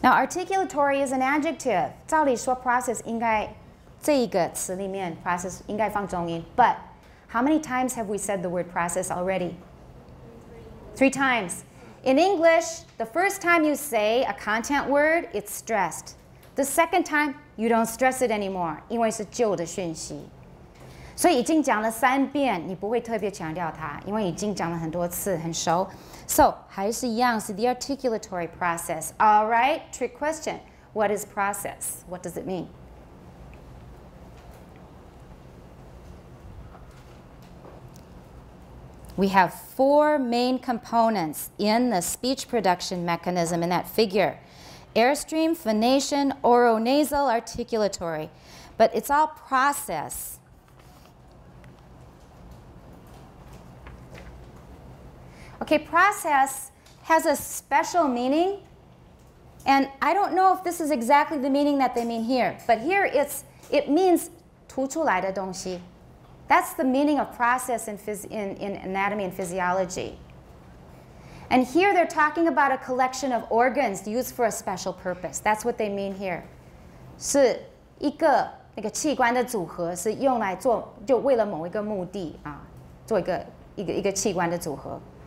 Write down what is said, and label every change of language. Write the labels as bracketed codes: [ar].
[en] Now, articulatory is an adjective. [zh] 照理说 process 应该这一个词里面 process 应该放重音 [en] But how many times have we said the word process already? Three times. In English, the first time you say a content word, it's stressed. The second time, you don't stress it anymore, [zh] 因为是旧的讯息。所以已经讲了三遍，你不会特别强调它，因为已经讲了很多次，很熟。 [en] So, [zh] 还是一样，是 [en] the articulatory process. All right, trick question. What is process? What does it mean? We have four main components in the speech production mechanism in that figure. Airstream, phonation, oronasal, articulatory. But it's all process. Okay, process has a special meaning. And I don't know if this is exactly the meaning that they mean here. But here it means [zh] 吐出来的东西。 [en] That's the meaning of process in anatomy and physiology. And here they're talking about a collection of organs used for a special purpose. That's what they mean here. [zh] 是一个那个器官的组合是用来做就为了某一个目的啊，做一个器官的组合。